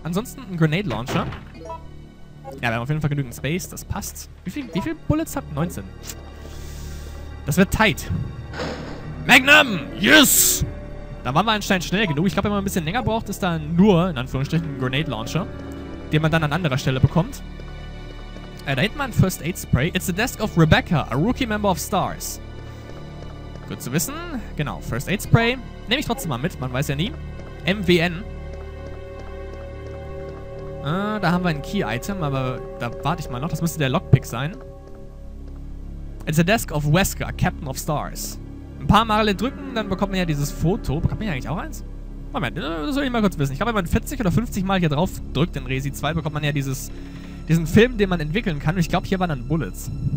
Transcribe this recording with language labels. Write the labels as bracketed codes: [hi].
[de] Ansonsten einen Grenade Launcher. Ja, wir haben auf jeden Fall genügend Space, das passt. Wie viel Bullets hat 19? Das wird tight. Magnum! Yes! Da waren wir anscheinend schnell genug. Ich glaube, wenn man ein bisschen länger braucht, ist da nur, in Anführungsstrichen, ein Grenade Launcher, den man dann an anderer Stelle bekommt. Da hinten mal ein First Aid Spray. [en] It's the desk of Rebecca, a rookie member of Stars. [de] Gut zu wissen. Genau, First Aid Spray. Nehme ich trotzdem mal mit, man weiß ja nie. MWN. Da haben wir ein Key-Item, aber da warte ich mal noch. Das müsste der Lockpick sein. [en] It's the desk of Wesker, Captain of Stars. [de] Ein paar Male drücken, dann bekommt man ja dieses Foto. Bekommt man ja eigentlich auch eins? Moment, das will ich mal kurz wissen. Ich glaube, wenn man 40 oder 50 Mal hier drauf drückt in Resi 2, bekommt man ja diesen Film, den man entwickeln kann. Und ich glaube, hier waren dann Bullets.